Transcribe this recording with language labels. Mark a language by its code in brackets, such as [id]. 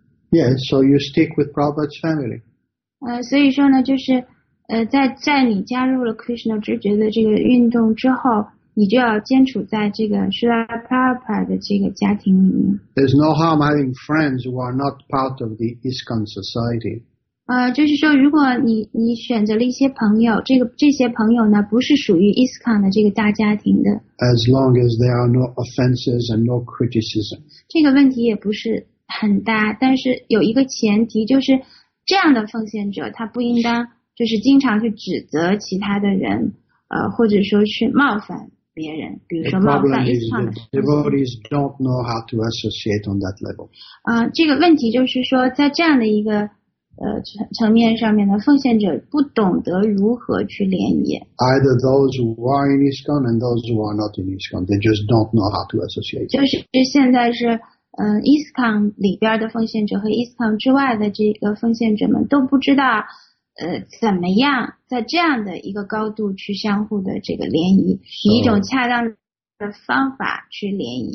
[en] Yeah, so you stick with Prabhupada's family. [zh] 所以说呢，就是在你加入了 Krishna 知觉的这个运动之后，你就要坚守在这个 Srila Prabhupada 的这个家庭里面。 [en] There's no harm having friends who are not part of the ISKCON society. [zh] 就是说，如果你选择了一些朋友，这些朋友呢，不是属于 ISKCON 的这个大家庭的。 [en] As long as there are no offenses and no criticism. [zh] 这个问题也不是很大，但是有一个前提，就是这样的奉献者，他不应当就是经常去指责其他的人，或者说去冒犯别人，比如说冒犯 ISKCON 的奉献。 [en] The problem is the devotees don't know how to associate on that level. [zh] 这个问题就是说，在这样的一个层面上面的奉献者不懂得如何去联谊。 [en] Either those who are in ISKCON and those who are not in ISKCON, they just don't know how to associate. [zh] 就是现在是ISKCON 里边的奉献者和 ISKCON 之外的这个奉献者们都不知道怎么样在这样的一个高度去相互的这个联谊，以一种恰当的方法去联谊。